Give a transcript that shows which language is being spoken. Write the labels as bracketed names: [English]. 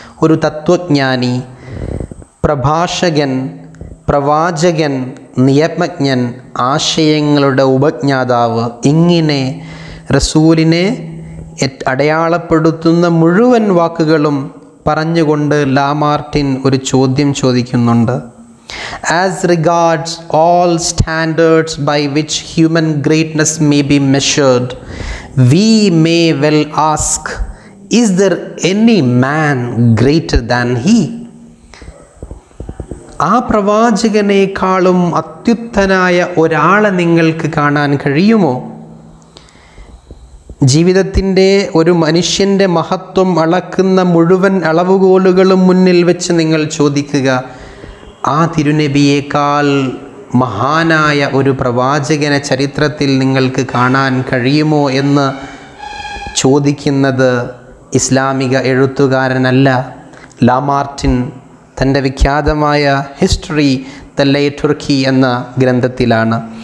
[Malayalam] ഒരു തത്വജ്ഞാനി, പ്രഭാഷകൻ, പ്രവാചകൻ, നിയമജ്ഞൻ, ആശയങ്ങളുടെ ഉപജ്ഞാതാവ്. ഇങ്ങനെ റസൂലിനെ അടയാളപ്പെടുത്തുന്ന മുഴുവൻ വാക്കുകളും പറഞ്ഞുകൊണ്ട് ലാമാർട്ടിൻ ഒരു ചോദ്യം ചോദിക്കുന്നുണ്ട്. [English] As regards all standards by which human greatness may be measured, we may well ask, is there any man greater than he? [Malayalam] ആ പ്രവാചകനേക്കാളും അത്യുത്തനായ ഒരാളെ നിങ്ങൾക്ക് കാണാൻ കഴിയുമോ? ജീവിതത്തിൻ്റെ ഒരു മനുഷ്യൻ്റെ മഹത്വം അളക്കുന്ന മുഴുവൻ അളവുകോലുകളും മുന്നിൽ വെച്ച് നിങ്ങൾ ചോദിക്കുക, ആ തിരുനബിയേക്കാൾ മഹാനായ ഒരു പ്രവാചകനെ ചരിത്രത്തിൽ നിങ്ങൾക്ക് കാണാൻ കഴിയുമോ എന്ന് ചോദിക്കുന്നത് ഇസ്ലാമിക എഴുത്തുകാരനല്ല, ലാമാർട്ടിൻ തൻ്റെ വിഖ്യാതമായ ഹിസ്റ്ററി തല്ലൈ തുർക്കി എന്ന ഗ്രന്ഥത്തിലാണ്.